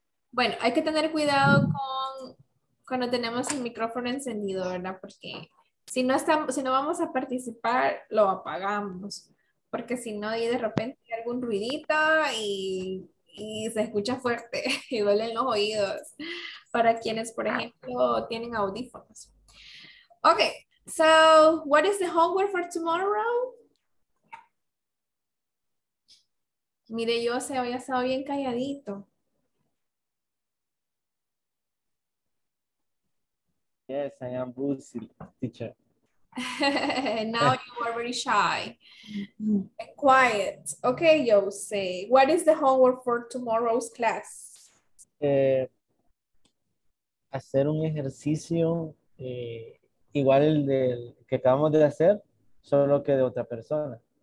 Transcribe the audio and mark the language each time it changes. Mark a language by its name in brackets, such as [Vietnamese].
[Spanish] Bueno, hay que tener cuidado con cuando tenemos el micrófono encendido, ¿verdad? Porque si no estamos, si no vamos a participar, lo apagamos. Porque si no, y de repente hay algún ruidito y se escucha fuerte y duelen los oídos. Para quienes, por ejemplo, tienen audífonos. [English] Okay, so what is the homework for tomorrow? [Spanish] Mire, yo se había estado bien calladito. [English] Yes, I am busy, teacher. Now you are very shy and quiet. Okay, Jose, what is the homework for tomorrow's class? [Spanish] Hacer un ejercicio igual el del que acabamos de hacer, solo que de otra persona.